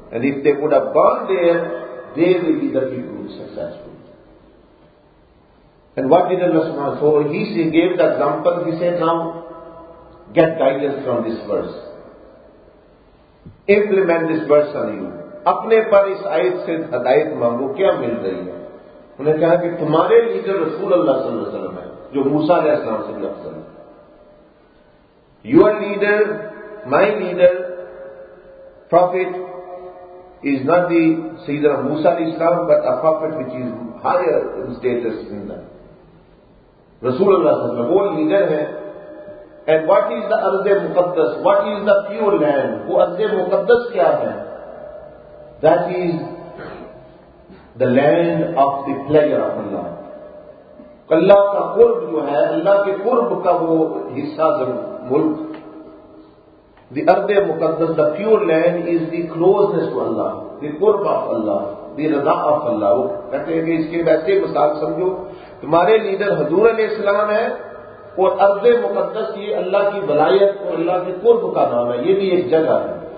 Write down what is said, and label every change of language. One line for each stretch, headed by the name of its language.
English: And if they would have gone there, they will be the people successful. And what did Allah say? So He gave the example, He said, now get guidance from this verse. Implement this verse on you.
Urdu: اپنے پر اس آیت سے ہدایت مانگو، کیا مل رہی ہے؟ انہوں نے کہا کہ تمہارے لیڈر رسول اللہ صلی اللہ علیہ وسلم ہے، جو موسیٰ علیہ السلام سے بھی افضل ہے.
English: Your leader, my leader, prophet is not the سیدنا موسیٰ علیہ السلام but a prophet which is higher in status than that.
Urdu: رسول اللہ صلی اللہ علیہ وسلم وہ لیڈر ہے.
English: And what is the ارض مقدس؟ What is the pure land؟
Urdu: وہ ارض مقدس کیا ہے؟
English: That is the land of the pleasure of Allah.
Urdu: اللہ کا قرب جو ہے، اللہ کے قرب کا وہ حصہ جو ملک،
English: the ارض مقدس، the pure land is the closeness to Allah, the قرب of Allah, the رضا of Allah.
Urdu: وہ کہتے ہیں کہ اس کے ویسے مثال سمجھو، تمہارے لیڈر حضور علیہ السلام ہے اور ارض مقدس یہ اللہ کی ولایت اور اللہ کے قرب کا نام ہے، یہ بھی ایک جگہ ہے.